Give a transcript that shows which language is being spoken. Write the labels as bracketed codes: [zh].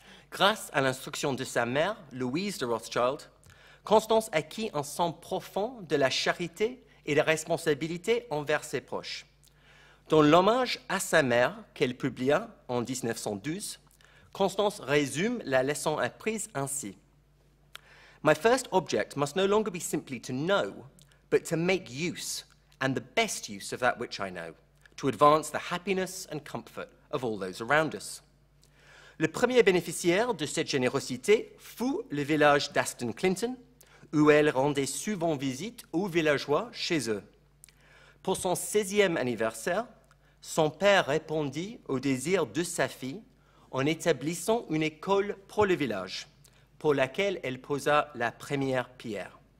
[fr] Grâce à l'instruction de sa mère, Louise de Rothschild, Constance acquit un sens profond de la charité et de la responsabilité envers ses proches. Dans l'hommage à sa mère qu'elle publia en 1912, Constance résume la leçon apprise ainsi. [en] My first object must no longer be simply to know, but to make use, and the best use of that which I know, to advance the happiness and comfort of all those around us. [fr] Le premier bénéficiaire de cette générosité fut le village d'Aston Clinton, où elle rendait souvent visite aux villageois chez eux. Pour son 16e anniversaire, son père répondit au désir de sa fille en établissant une école pour le village, pour laquelle elle posa la première pierre.